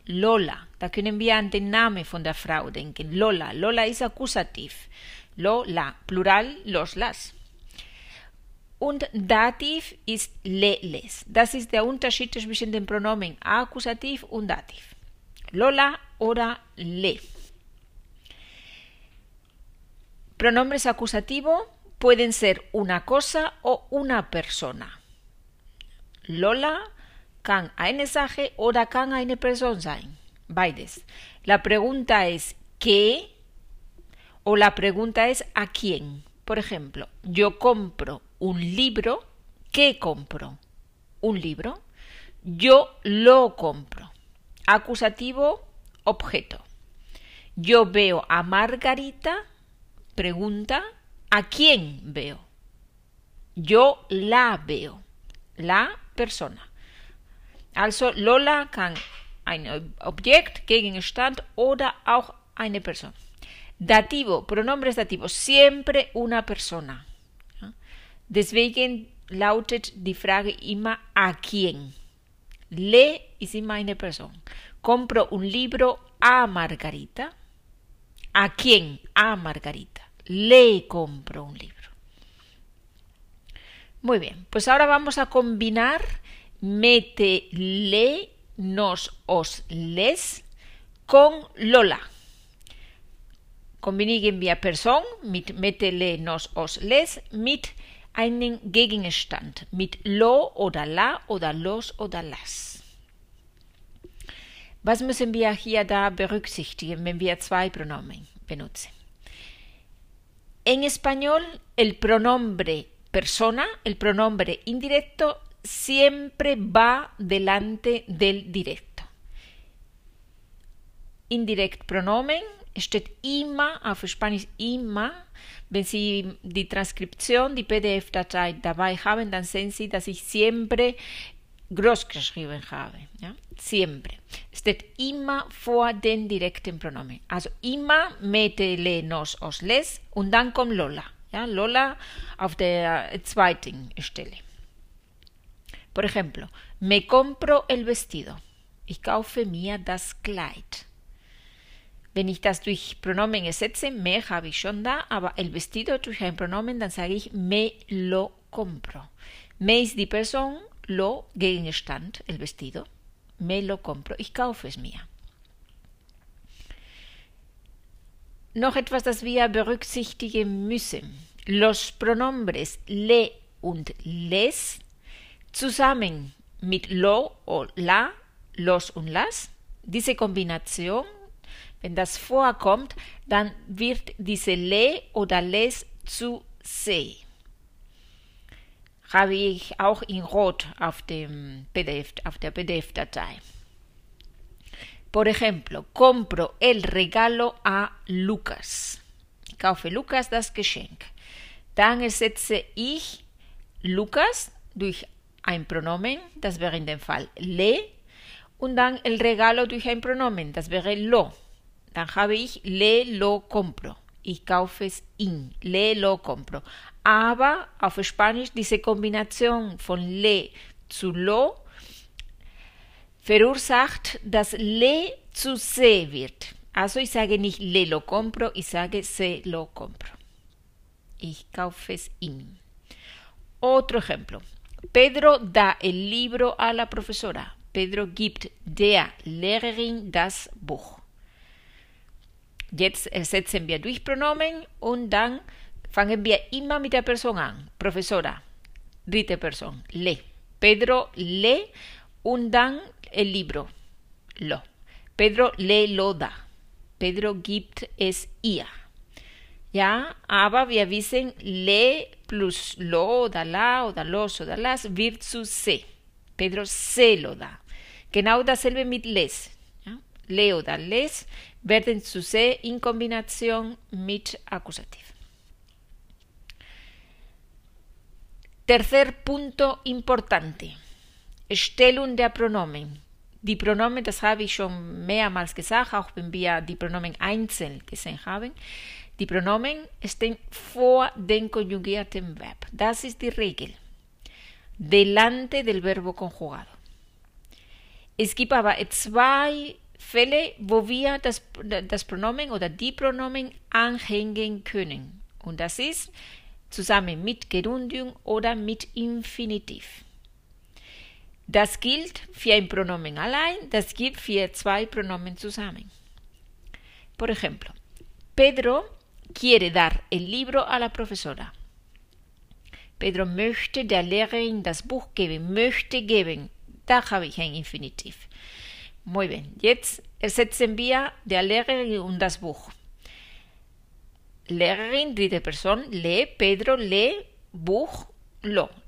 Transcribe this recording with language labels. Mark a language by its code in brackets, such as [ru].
[de] Lola, da können wir an den Namen von der Frau denken. Lola, Lola ist Akkusativ. Lola, plural, los, las. Und Dativ ist les. Das ist der Unterschied zwischen den Pronomen Akkusativ und Dativ. Lola oder le. [es] Pronombres acusativo pueden ser una cosa o una persona. [de] Lola kann eine Sache oder kann eine Person sein. Beides. [es] La pregunta es ¿qué? O la pregunta es ¿a quién? Por ejemplo, yo compro un libro. ¿Qué compro? Un libro. Yo lo compro. Acusativo, objeto. Yo veo a Margarita. Pregunta, ¿a quién veo? Yo la veo. La persona. [de] Also, Lola kann ein Objekt, Gegenstand oder auch eine Person. [es] Dativo, pronombres dativos, siempre una persona. [de] Deswegen lautet die Frage immer, [es] ¿a quién? [de] Le ist immer eine Person. [es] Compro un libro a Margarita. ¿A quién? A Margarita. Le compro un libro. Muy bien, pues ahora vamos a combinar. Mete le, nos, os, les con Lola. [de] Combinigen wir Person mit mete le, nos, os, les mit einem Gegenstand. Mit lo oder la oder los oder las. Was müssen wir hier da berücksichtigen, wenn wir zwei Pronomen benutzen? [es] En español, el pronombre persona, el pronombre indirecto, siempre va delante del directo. [de] Indirect pronomen steht immer, auf Spanisch immer. Wenn Sie die Transkription, die PDF-Datei dabei haben, dann sehen Sie, dass ich siempre groß geschrieben habe. Ja? Siempre. Steht immer vor den direkten Pronomen. Also immer mete le nos os les und dann kommt Lola. Ja? Lola auf der zweiten Stelle. [es] Por ejemplo, me compro el vestido. [de] Ich kaufe mir das Kleid. Wenn ich das durch Pronomen ersetze, me habe ich schon da, aber el vestido durch ein Pronomen, dann sage ich [es] me lo compro. [de] Me ist die Person, lo Gegenstand, el vestido. [es] Me lo compro, [de] ich kaufe es mir. Noch etwas, das wir berücksichtigen müssen. Los pronombres le und les. Zusammen mit lo o la, los und las, diese Kombination, wenn das vorkommt, dann wird diese le oder les zu se. Habe ich auch in Rot auf dem PDF, auf der PDF-Datei. [es] Por ejemplo, compro el regalo a Lucas. [de] Ich kaufe Lucas das Geschenk. Dann ersetze ich Lucas durch ein Pronomen, das wäre in dem Fall le, und dann el regalo durch ein Pronomen, das wäre lo. Dann habe ich [es] le lo compro. [de] Ich kaufe es ihm. [es] Le lo compro. [de] Aber auf Spanisch, diese Kombination von le zu lo verursacht, dass le zu se wird. Also ich sage nicht [es] le lo compro, [de] ich sage [es] se lo compro. [de] Ich kaufe es ihm. [es] Otro ejemplo. Pedro da el libro a la profesora. [de] Pedro gibt der Lehrerin das Buch. Jetzt ersetzen wir durch Pronomen und dann fangen wir immer mit der Person an. Profesora, dritte Person, le. Pedro le und dann el libro, lo. [es] Pedro le lo da. [de] Pedro gibt es ihr. Ja, aber wir wissen, le plus lo oder la oder los oder las wird zu se. [es] Pedro se lo da. [de] Genau dasselbe mit les. Ja? Leo dal les, werden zu se in Kombination mit Akkusativ. [es] Tercer punto importante. [de] Stellung der Pronomen. Die Pronomen, das habe ich schon mehrmals gesagt, auch wenn wir die Pronomen einzeln gesehen haben. Die Pronomen stehen vor dem konjugierten Verb. Das ist die Regel. [es] Delante del verbo conjugado. [de] Es gibt aber zwei Fälle, wo wir das Pronomen oder die Pronomen anhängen können. Und das ist zusammen mit Gerundium oder mit Infinitiv. Das gilt für ein Pronomen allein, das gilt für zwei Pronomen zusammen. [es] Por ejemplo, Pedro quiere dar el libro a la profesora. [de] Pedro möchte der Lehrerin das Buch geben, möchte geben. Da habe ich ein Infinitiv. [es] Muy bien, [de] jetzt ersetzen wir der Lehrerin und das Buch. Lehrerin, dritte Person, lee, Pedro lee, Buch, lo.